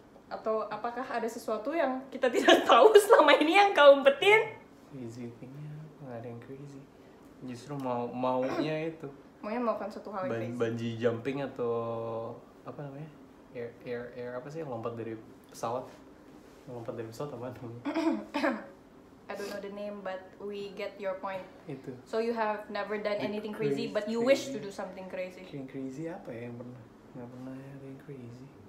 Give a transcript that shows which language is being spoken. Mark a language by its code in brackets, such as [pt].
[id] Atau apakah ada sesuatu yang kita tidak tahu selama ini yang kau umpetin? Crazy thingnya nggak ada yang crazy. Justru maunya itu. Maunya melakukan suatu hal yang crazy. Bungee jumping atau apa namanya? Air apa sih? Lompat dari pesawat apa namanya? [en] I don't know the name, but we get your point. [id] Itu. [en] So you have never done anything crazy, but you wish to do something crazy. [id] Yang crazy apa ya? Gak pernah ada yang crazy.